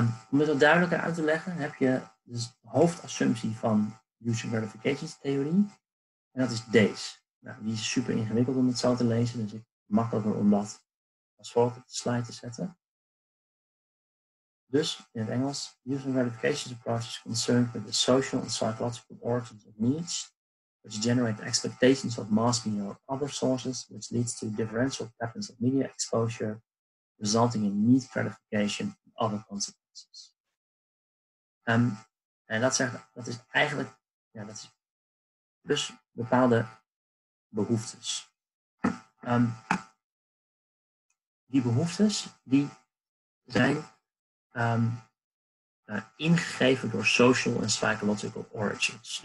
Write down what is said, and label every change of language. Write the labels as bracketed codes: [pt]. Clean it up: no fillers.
[nl] Om het wat duidelijker uit te leggen, heb je dus de hoofdassumptie van user gratifications theorie. En dat is deze. Nou, die is super ingewikkeld om het zo te lezen, dus ik makkelijker om dat als volgt op de slide te zetten. Dus in het Engels, [en] user verification approach is concerned with the social and psychological origins of needs, which generate expectations of mass media or other sources, which leads to differential patterns of media exposure, resulting in need gratification and other consequences. [nl] En dat is eigenlijk, ja, dat is dus bepaalde behoeftes. Die behoeftes die zijn ingegeven door social en psychological origins.